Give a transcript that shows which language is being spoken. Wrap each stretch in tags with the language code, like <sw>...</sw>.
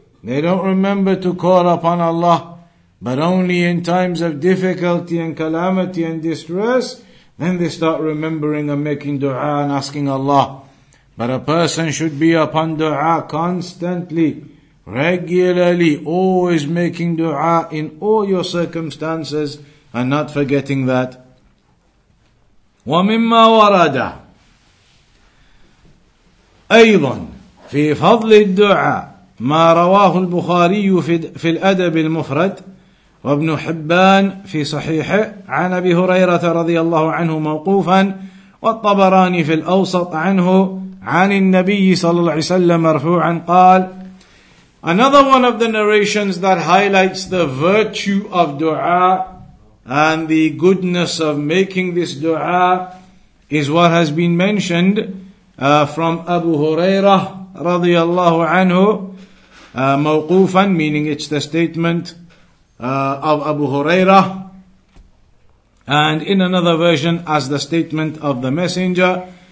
<en>They don't remember to call upon Allah. But only in times of difficulty and calamity and distress, then they start remembering and making dua and asking Allah. But a person should be upon dua constantly, regularly, always making dua in all your circumstances and not forgetting that.</en> <ar>وَمِمَّا وَرَدَ أَيْضًا فِي فَضْلِ الدُّعَى مَا رَوَاهُ الْبُخَارِيُّ فِي الْأَدَبِ الْمُفْرَدِ وابن حبان في صحيحه عن أبي هريرة رضي الله عنه موقوفا والطبراني في الأوسط عنه عن النبي صلى الله عليه وسلم مرفوعا قال.</ar> <en>Another one of the narrations that highlights the virtue of dua and the goodness of making this dua is what has been mentioned from Abu Huraira</en> <ar>رضي الله عنه موقوفا,</ar> <en>meaning it's the statement of Abu Hurairah, and in another version as the statement of the Messenger</en>